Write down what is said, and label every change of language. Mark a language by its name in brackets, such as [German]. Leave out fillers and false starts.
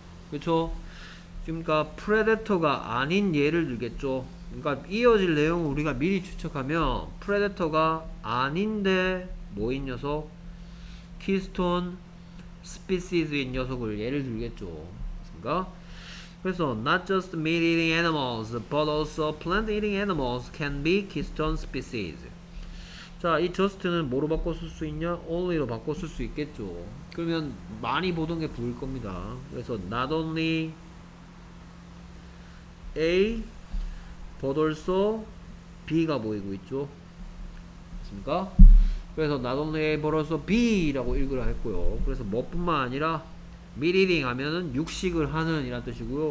[Korean] 그쵸? 그러니까 predator가 아닌 예를 들겠죠. 그러니까 이어질 내용을 우리가 미리 추측하면 predator가 아닌데 뭐인 녀석? 키스톤 스피시즈인 녀석을 예를 들겠죠. 그니까? 그래서 [English] not just meat eating animals but also plant eating animals can be keystone species. [Korean] 자, 이 just는 뭐로 바꿔 쓸 수 있냐? only로 바꿔 쓸 수 있겠죠. 그러면 많이 보던 게 보일 겁니다. 그래서 not only A but also B가 보이고 있죠. 됐습니까? 그래서 not only A but also B 라고 읽으라 했고요. 그래서 뭐뿐만 아니라 meat eating 하면은 육식을 하는 이란 뜻이고요.